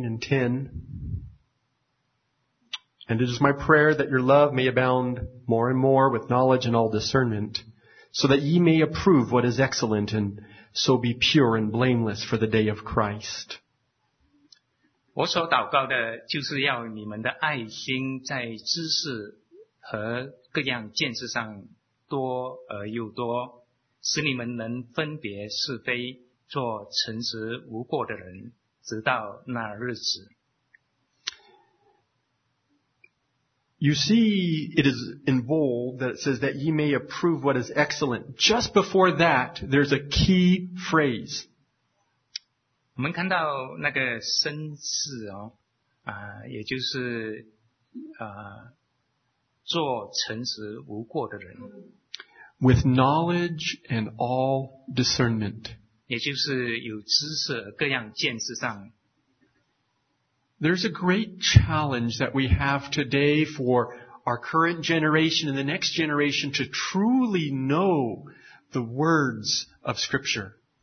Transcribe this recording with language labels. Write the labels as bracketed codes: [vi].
[en] Verse 9 and 10. And it is my prayer that your love may abound more and more with knowledge and all discernment, so that ye may approve what is excellent andSo be pure and blameless for the day of Christ. [zh] 我所祷告的就是要你们的爱心在知识和各样见识上多而又多，使你们能分别是非，做诚实无过的人，直到那日子。 [en] You see, it is in bold that it says that ye may approve what is excellent. Just before that, there's a key phrase. [zh] 我们看到那个生字也就是做诚实无过的人。 [en] With knowledge and all discernment. [zh] 也就是有知识各样见识上。 [en] There's a great challenge that we have today for our current generation and the next generation to truly know the words of Scripture.